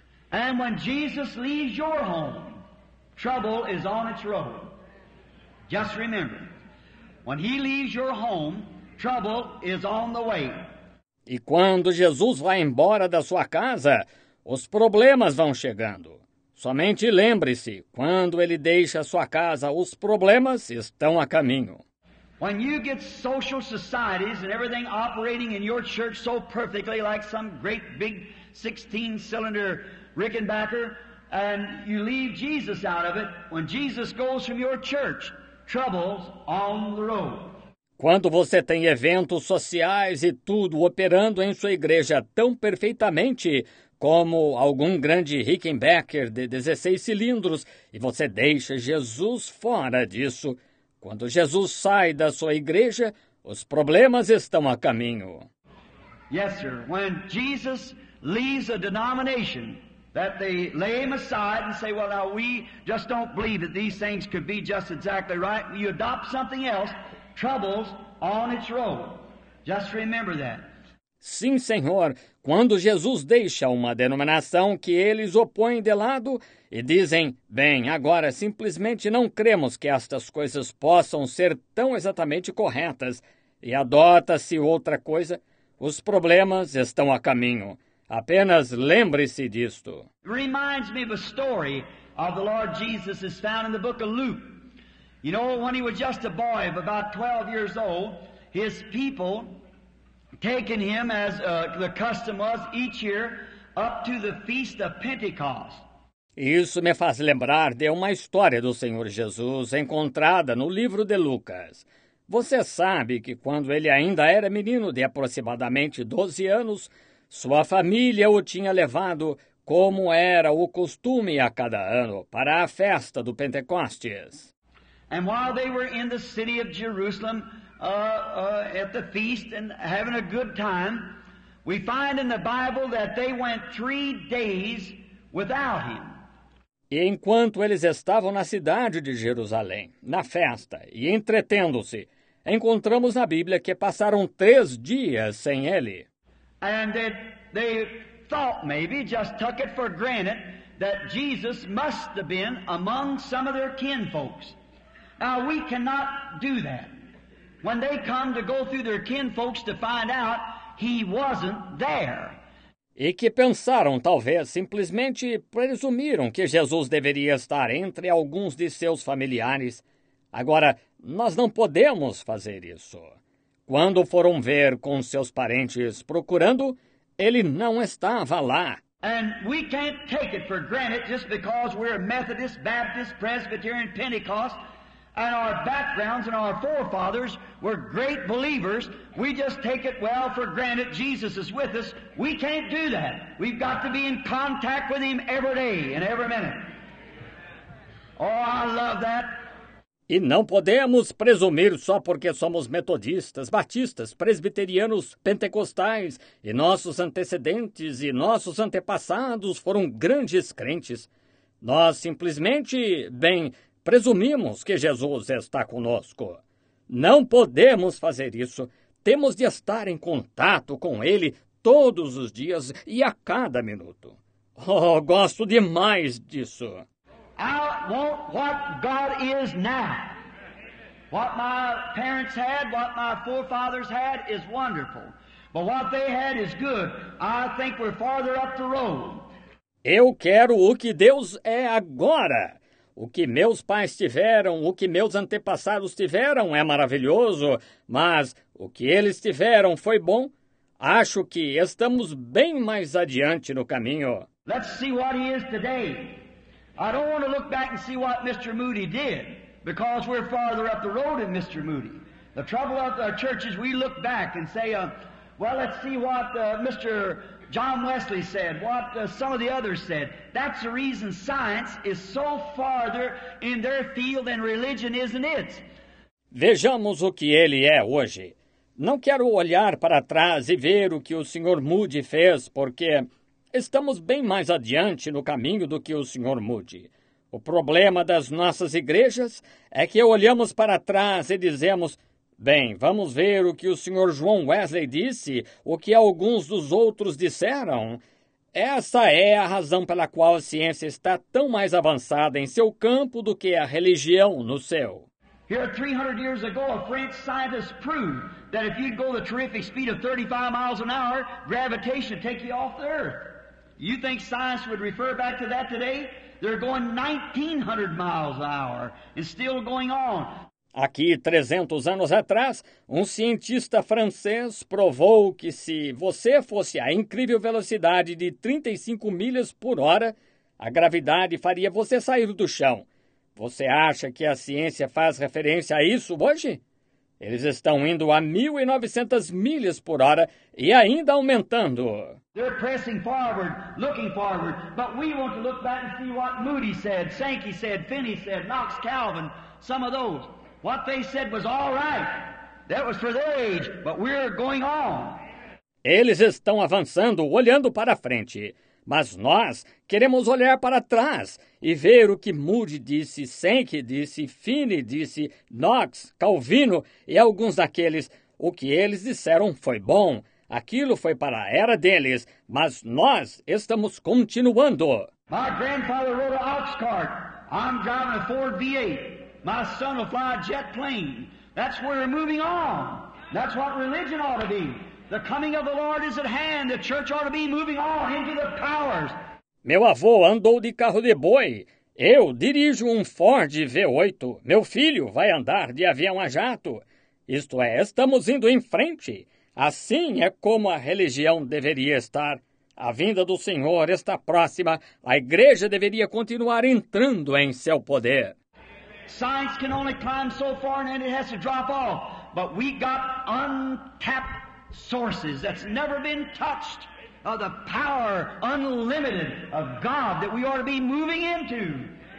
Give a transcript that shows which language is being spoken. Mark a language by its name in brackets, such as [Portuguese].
[English] And when Jesus leaves your home, trouble is on its road. Just remember, when he leaves your home, trouble is on the way. [Portuguese] E quando Jesus vai embora da sua casa, os problemas vão chegando. Somente lembre-se, quando ele deixa sua casa, os problemas estão a caminho. [English] When you get social societies and everything operating in your church so perfectly like some great big 16-cylinder Rickenbacker and you leave Jesus out of it, when Jesus goes from your church, trouble's on the road. [Portuguese] Quando você tem eventos sociais e tudo operando em sua igreja tão perfeitamente como algum grande Rickenbacker de 16 cilindros e você deixa Jesus fora disso, quando Jesus sai da sua igreja, os problemas estão a caminho. [English] Yes, sir. When Jesus leaves a denomination that they lay him aside and say, well, now we just don't believe that these things could be just exactly right, you adopt something else, trouble's on its road. Just remember that. [Portuguese] Sim, Senhor. Quando Jesus deixa uma denominação que eles opõem de lado e dizem, bem, agora simplesmente não cremos que estas coisas possam ser tão exatamente corretas e adota-se outra coisa, os problemas estão a caminho. Apenas lembre-se disto. [English] Reminds me of a story of the Lord Jesus is found in the book of Luke. You know, when he was just a boy of about 12 years old, his people taken him, as the custom was, each year, up to the feast of Pentecost. [Portuguese] Isso me faz lembrar de uma história do Senhor Jesus encontrada no livro de Lucas. Você sabe que quando ele ainda era menino de aproximadamente 12 anos, sua família o tinha levado, como era o costume a cada ano, para a festa do Pentecostes. [English] And while they were in the city of Jerusalem, at the feast and having a good time, we find in the Bible that they went 3 days without him. [Portuguese] E enquanto eles estavam na cidade de Jerusalém, na festa e entretendo-se, encontramos na Bíblia que passaram 3 dias sem ele. [English] And they thought maybe, just took it for granted, that Jesus must have been among some of their kinfolks. Now we cannot do that. When they come to go through their kinfolks to find out, he wasn't there. [Portuguese] E que pensaram, talvez, simplesmente presumiram que Jesus deveria estar entre alguns de seus familiares. Agora, nós não podemos fazer isso. Quando foram ver com seus parentes procurando, ele não estava lá. [English] And we can't take it for granted just because we're Methodist, Baptist, Presbyterian, Pentecost, and our backgrounds and our forefathers were great believers. We just take it well for granted Jesus is with us. We can't do that. We've got to be in contact with him every day and every minute. Oh, I love that. [Portuguese] E não podemos presumir só porque somos metodistas, batistas, presbiterianos, pentecostais e nossos antecedentes e nossos antepassados foram grandes crentes. Nós simplesmente, bem, presumimos que Jesus está conosco. Não podemos fazer isso. Temos de estar em contato com ele todos os dias e a cada minuto. Oh, gosto demais disso. [English] I want what God is now. What my parents had, what my forefathers had is wonderful. But what they had is good. I think we're farther up the road. [Portuguese] Eu quero o que Deus é agora. O que meus pais tiveram, o que meus antepassados tiveram é maravilhoso, mas o que eles tiveram foi bom. Acho que estamos bem mais adiante no caminho. [English] Let's see what he is today. I don't want to look back and see what Mr. Moody did, because we're farther up the road than Mr. Moody. The trouble of our church is we look back and say, well, let's see what Mr. John Wesley said, what some of the others said. That's the reason science is so farther in their field than religion, isn't it? [Portuguese] Vejamos o que ele é hoje. Não quero olhar para trás e ver o que o Sr. Moody fez, porque estamos bem mais adiante no caminho do que o Sr. Moody. O problema das nossas igrejas é que olhamos para trás e dizemos: bem, vamos ver o que o Sr. João Wesley disse, o que alguns dos outros disseram. Essa é a razão pela qual a ciência está tão mais avançada em seu campo do que a religião no seu. [English] Here, 300 years ago, a French scientist proved that if you go the terrific speed of 35 miles an hour, gravitation would take you off the earth. You think science would refer back to that today? They're going 1900 miles an hour and still going on. [Portuguese] Aqui, 300 anos atrás, um cientista francês provou que se você fosse a incrível velocidade de 35 milhas por hora, a gravidade faria você sair do chão. Você acha que a ciência faz referência a isso hoje? Eles estão indo a 1900 milhas por hora e ainda aumentando. [English] They're pressing forward, looking forward, but we want to look back and see what Moody said, Sankey said, Finney said, Knox, Calvin, some of those. What they said was all right. That was for their age, but we're going on. [Portuguese] Eles estão avançando, olhando para frente. Mas nós queremos olhar para trás e ver o que Moody disse, Sankey disse, Finney disse, Knox, Calvino e alguns daqueles. O que eles disseram foi bom. Aquilo foi para a era deles, mas nós estamos continuando. [English] My grandfather rode an ox cart. I'm driving a Ford V8. My son will fly a jet plane. That's where we're moving on. That's what religion ought to be. The coming of the Lord is at hand. The church ought to be moving on into the powers. [Portuguese] Meu avô andou de carro de boi. Eu dirijo um Ford V8. Meu filho vai andar de avião a jato. Isto é, estamos indo em frente. Assim é como a religião deveria estar. A vinda do Senhor está próxima. A igreja deveria continuar entrando em seu poder. [English] Science can only climb so far and it has to drop off. But we got untapped sources that's never been touched of the power unlimited of God that we ought to be moving into.